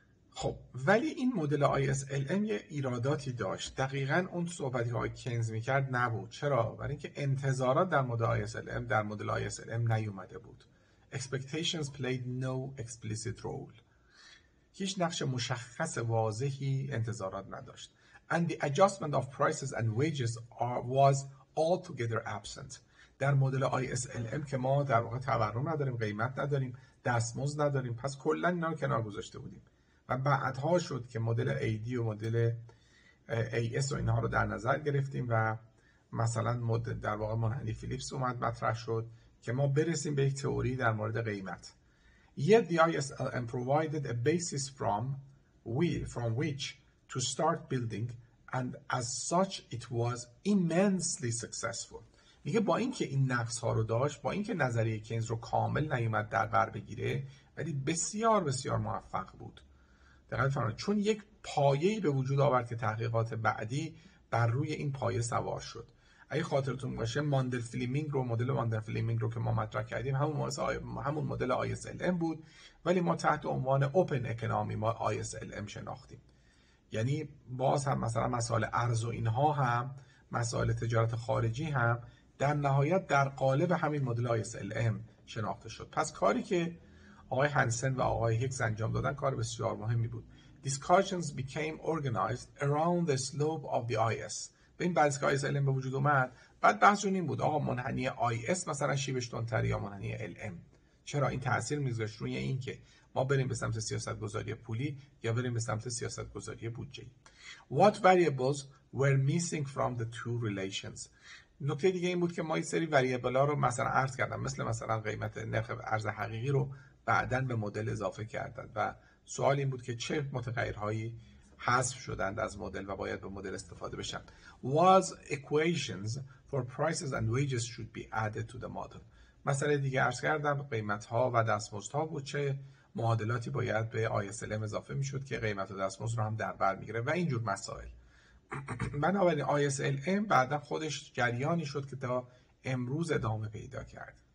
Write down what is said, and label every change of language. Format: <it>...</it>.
<fa>خب ولی این مدل ISLM یه ایراداتی داشت. دقیقاً اون صحبتی که کینز میکرد نبود. چرا؟ برای اینکه انتظارات در مدل ISLM نیومده بود.</fa> <en>Expectations played no explicit role.</en> <fa>هیچ نقش مشخص واضحی انتظارات نداشت.</fa> <en>And the adjustment of prices and wages was altogether absent.</en> <fa>در مدل ISLM که ما در واقع تورم نداریم، قیمت نداریم، دستمزد نداریم، پس کلن اینا رو کنار گذاشته بودیم. و بعدها شد که مدل AD و مدل AS و اینها رو در نظر گرفتیم و مثلا مدل در واقع منحنی فیلیپس اومد مطرح شد که ما برسیم به یک تئوری در مورد قیمت.</fa> <en>Yet the ISLM provided a basis from which to start building and as such it was immensely successful.</en> <fa>میگه با اینکه این نقص ها رو داشت، با اینکه نظریه کینز رو کامل نیومد در بر بگیره، ولی بسیار بسیار موفق بود. دقیقاً فهمید، چون یک پایه‌ای به وجود آورد که تحقیقات بعدی بر روی این پایه سوار شد. اگه خاطرتون باشه مدل ماندل فلیمینگ رو که ما مطرح کردیم همون مدل ISLM بود، ولی ما تحت عنوان اوپن اکونومی ما ISLM شناختیم. یعنی باز هم مثلا مسائل ارز و اینها هم مسائل تجارت خارجی هم در نهایت در قالب همین مدل ISLM شناخته شد. پس کاری که آقای هنسن و آقای هیکس انجام دادن کار بسیار مهمی بود.</fa> <en>Discussions became organized around the slope of the IS.</en> <fa>به این بحث که ISLM به وجود اومد، بعد بحثشون این بود آقا منحنی IS مثلا شیبش تندتر یا منحنی LM. چرا این تأثیر میذاره روی این که ما بریم به سمت سیاست گذاری پولی یا بریم به سمت سیاست گذاری بودجه‌ای.</fa> <en>What variables were missing from the two relations.</en> <fa>نکته دیگه این بود که ما این سری وریبل ها رو مثلا عرض کردم، مثل مثلا قیمت نرخ ارز حقیقی رو بعداً به مدل اضافه کردند و سوال این بود که چه متغیرهایی حذف شدند از مدل و باید به مدل استفاده بشن.</fa> <en>Was equations for prices and wages should be added to the model.</en> <fa>مسئله دیگه عرض کردم قیمت ها و دستمزد ها بود، چه معادلاتی باید به ISLM اضافه میشد که قیمت و دستمزد رو هم در بر میگیره و اینجور مسائل. بنابراین ISLM بعدا خودش جریانی شد که تا امروز ادامه پیدا کرد.</fa>